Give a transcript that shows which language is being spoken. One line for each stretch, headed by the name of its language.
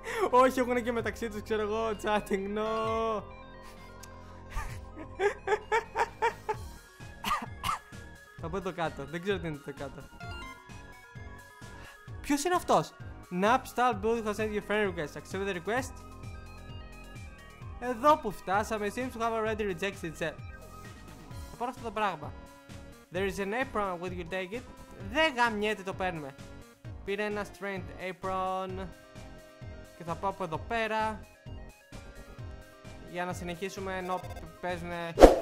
Greek: Όχι, έχουν και μεταξύ τους, ξέρω εγώ,
English: chatting, no.
Greek: Θα πω το κάτω, δεν ξέρω τι είναι το κάτω. Ποιος είναι αυτός?
English: Napstall Booth has sent you friend request. Accept the request.
Greek: Εδώ που φτάσαμε,
English: seems to have already rejected it.
Greek: Θα πάρω αυτό το πράγμα.
English: There is an apron, would you take it?
Greek: Δεν γαμιέται, το παίρνουμε. Πήρε ένα strength apron. Και θα πάω από εδώ πέρα. Για να συνεχίσουμε ενώ παίζουμε.